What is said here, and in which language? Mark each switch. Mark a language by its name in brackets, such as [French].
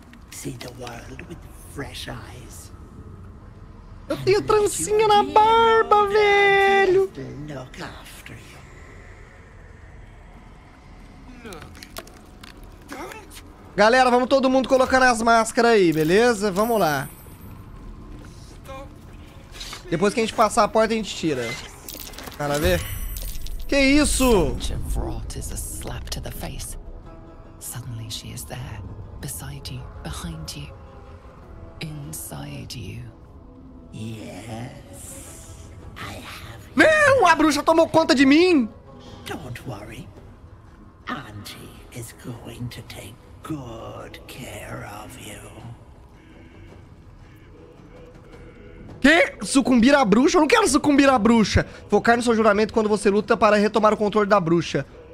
[English] See the world with fresh eyes. [Portuguese] Eu tenho trancinha na barba, velho. [English] Look after you. [Portuguese] Galera, vamos todo mundo colocando as máscaras aí, beleza? Vamos lá. Depois que a gente passar a porta, a gente tira. Cara, vê. Que isso? [English] Is a slap to the face. Suddenly she is there, beside you, behind you, inside you. Yes. I have. [Portuguese] Meu, a bruxa tomou conta de mim. [English] Don't worry. Auntie is going to take good care of you. [Portuguese] Que? Sucumbir à bruxa? Eu não quero sucumbir à bruxa. Focar no seu juramento quando você luta para retomar o controle da bruxa.